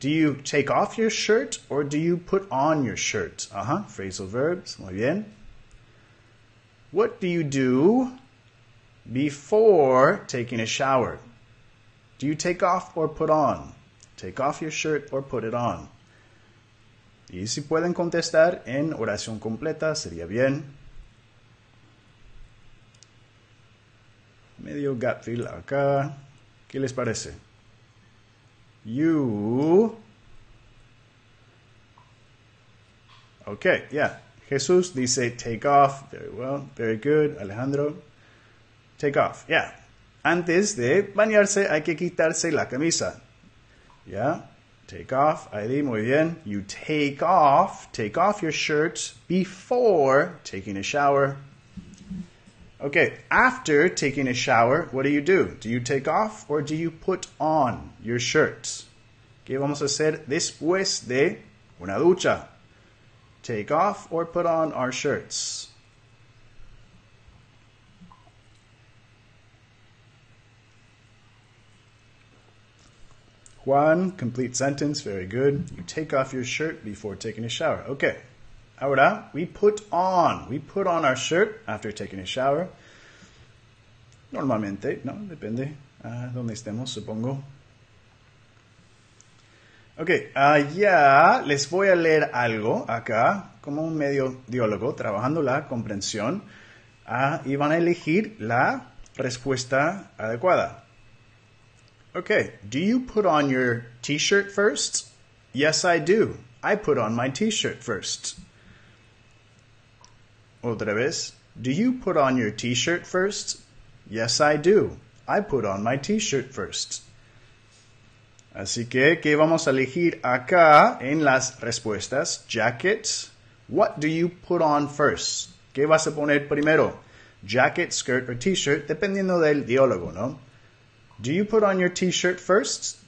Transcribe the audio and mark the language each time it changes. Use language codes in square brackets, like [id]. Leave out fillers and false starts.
[en] Do you take off your shirt or do you put on your shirt? [es] Ajá, [en] phrasal verbs, [es] muy bien. [en] What do you do before taking a shower? Do you take off or put on? Take off your shirt or put it on? [es] Y si pueden contestar en oración completa, sería bien. Medio gap fill acá. ¿Qué les parece? You. Ok, ya. [en] Yeah. Jesús dice take off. Very well. Very good. Alejandro. Take off. Ya. Yeah. [es] Antes de bañarse, hay que quitarse la camisa. [en] Ya. Yeah. Take off, ID, [es] muy bien. [en] You take off your shirt before taking a shower. Okay, after taking a shower, what do? You take off or do you put on your shirt? [es] ¿Qué vamos a hacer después de una ducha? [en] Take off or put on our shirts. Juan, complete sentence, very good. You take off your shirt before taking a shower. Okay. Ahora, we put on our shirt after taking a shower. [es] Normalmente, ¿no? Depende a dónde estemos, supongo. Okay, ya les voy a leer algo acá, como un medio diálogo, trabajando la comprensión. Y van a elegir la respuesta adecuada. [en] Okay, do you put on your t-shirt first? Yes, I do. I put on my t-shirt first. [es] Otra vez. [en] Do you put on your t-shirt first? Yes, I do. I put on my t-shirt first. [es] Así que, ¿qué vamos a elegir acá en las respuestas? Jacket. [en] What do you put on first? [es] ¿Qué vas a poner primero? Jacket, skirt o t-shirt, dependiendo del diálogo, ¿no? [en] Do you put on your t-shirt first?